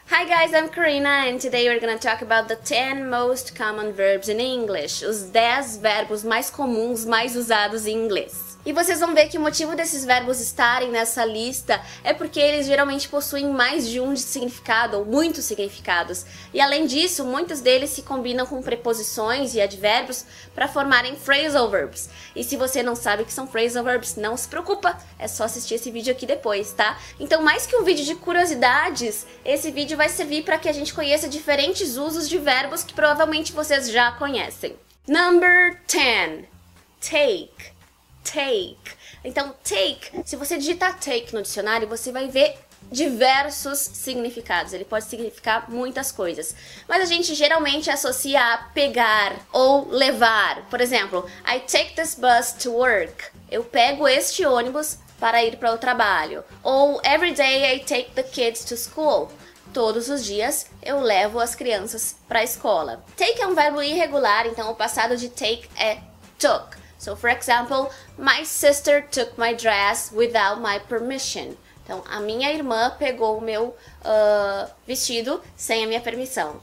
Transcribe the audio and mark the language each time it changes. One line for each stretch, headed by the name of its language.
English: Hi guys, I'm Karina and today we're gonna talk about the 10 most common verbs in English.
Portuguese: Os 10 verbos mais comuns, mais usados em inglês. E vocês vão ver que o motivo desses verbos estarem nessa lista é porque eles geralmente possuem mais de um significado, ou muitos significados. E além disso, muitos deles se combinam com preposições e advérbios para formarem phrasal verbs. E se você não sabe o que são phrasal verbs, não se preocupa, é só assistir esse vídeo aqui depois, tá? Então, mais que um vídeo de curiosidades, esse vídeo vai servir para que a gente conheça diferentes usos de verbos que provavelmente vocês já conhecem.
English: Number 10. Take. Take.
Portuguese: Então, take, se você digitar take no dicionário, você vai ver diversos significados. Ele pode significar muitas coisas. Mas a gente geralmente associa a pegar ou levar. Por exemplo,
English: I take this bus to work.
Portuguese: Eu pego este ônibus para ir para o trabalho. Ou
English: every day I take the kids to school.
Portuguese: Todos os dias eu levo as crianças para a escola. Take é um verbo irregular, então o passado de take é took.
English: So, for example, my sister took my dress without my permission.
Portuguese: Então, a minha irmã pegou o meu vestido sem a minha permissão.